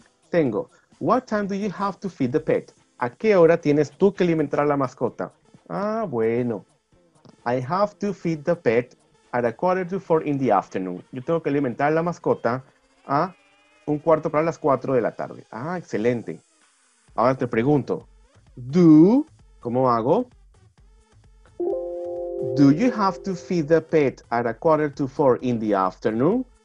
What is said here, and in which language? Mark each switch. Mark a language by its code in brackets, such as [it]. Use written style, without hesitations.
[es] Tengo, [en] what time do you have to feed the pet? [es] ¿A qué hora tienes tú que alimentar a la mascota? Ah, bueno. [en] I have to feed the pet at a quarter to four in the afternoon. [es] Yo tengo que alimentar a la mascota a 4:15 p.m. Ah, excelente. Ahora te pregunto, do, ¿cómo hago? [en] Do you have to feed the pet at a quarter to four in the afternoon?